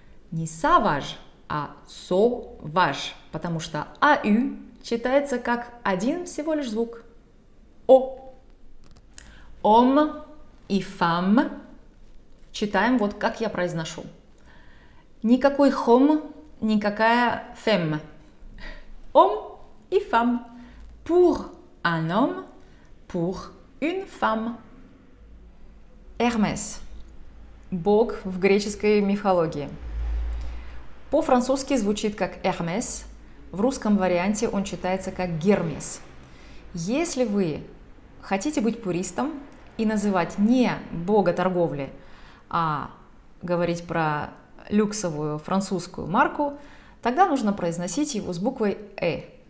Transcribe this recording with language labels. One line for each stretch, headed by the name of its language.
Russian: Не savage, а sauvage, потому что A-U читается как один всего лишь звук. О. Homme и femme читаем вот как я произношу. Никакой homme, никакая femme. Homme и femme.
French: Pour un homme, pour une femme.
Russian: Hermès – бог в греческой мифологии. По-французски звучит как Hermès, в русском варианте он читается как Гермес. Если вы хотите быть пуристом и называть не бога торговли, а говорить про люксовую французскую марку, тогда нужно произносить его с буквой «э».